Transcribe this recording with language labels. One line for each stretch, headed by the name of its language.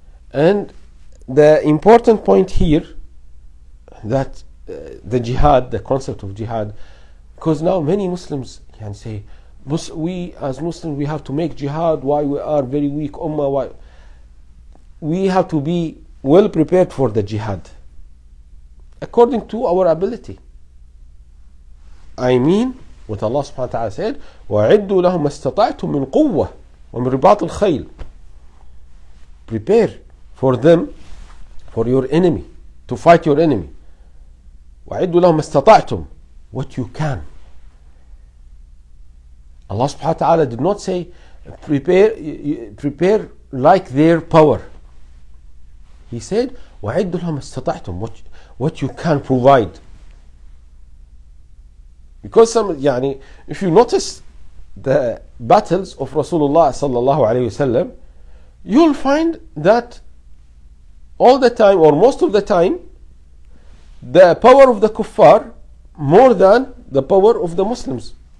English: And the important point here that the jihad, the concept of jihad, because now many Muslims can say, we as Muslims, we have to make jihad. Why we are very weak, Ummah? Why? We have to be well prepared for the jihad according to our ability. I mean what Allah subhanahu wa ta'ala said,
Arabic: وَعِدُّوا لَهُمْ مَا اسْتَطَعْتُمْ مِنْ قُوَّةٍ وَمِنْ رِبَاطِ الْخَيْلِ.
English: Prepare for them, for your enemy, to fight your enemy.
Arabic: وَعِدُّوا لَهُمْ مَا اسْتَطَعْتُمْ,
English: what you can. Allah subhanahu wa ta'ala did not say prepare like their power. He said,
Arabic: وَعِدُّوا لَهُمْ مَا اسْتَطَعْتُمْ,
English: what you can provide. Because if you notice the battles of Rasulullah sallallahu alayhi wasallam, you'll find that all the time, or most of the time, the power of the kuffar more than the power of the Muslims.